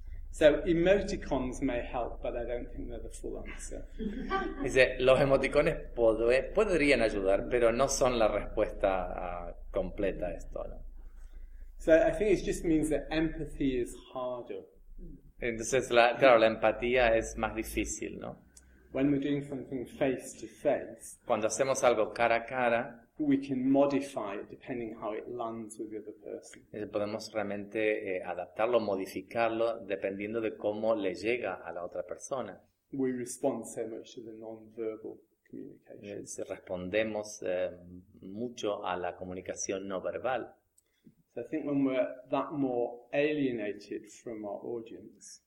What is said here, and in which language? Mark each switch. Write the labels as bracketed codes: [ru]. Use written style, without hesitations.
[en] So emoticons may help, but I don't think they're the full answer. [es] Dice, los emoticones podrían ayudar, pero no son la respuesta completa a esto, ¿no? [en] So I think it just means that empathy is harder. [es] Entonces, la empatía es más difícil, ¿no? [en] When we're doing something face to face, [es] cuando hacemos algo cara a cara, [en] we can modify it depending how it lands with the other person. [es] Podemos realmente adaptarlo, modificarlo dependiendo de cómo le llega a la otra persona. [en] We respond so much to the non-verbal communication. [es] Respondemos mucho a la comunicación no verbal. [en] So I think when we're that more alienated from our audience,